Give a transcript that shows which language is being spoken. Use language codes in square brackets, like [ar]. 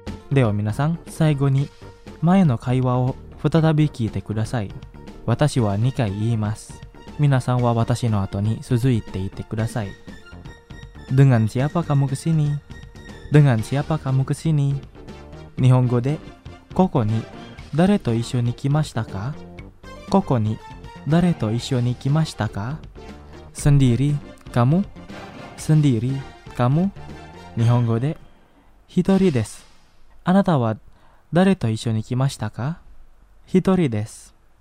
[ja] では皆さん、最後に前の会話を再び聞いてください。私は2回言います。皆さんは私の後に続いて言ってください。 [id] Dengan siapa kamu kesini? Dengan siapa kamu kesini? [ja] 日本語で、ここに誰と一緒に来ましたか？ここに誰と一緒に来ましたか？ [id] Sendiri, kamu? Sendiri, kamu? [ja] 日本語で、一人です。あなたは誰と一緒に来ましたか？一人です。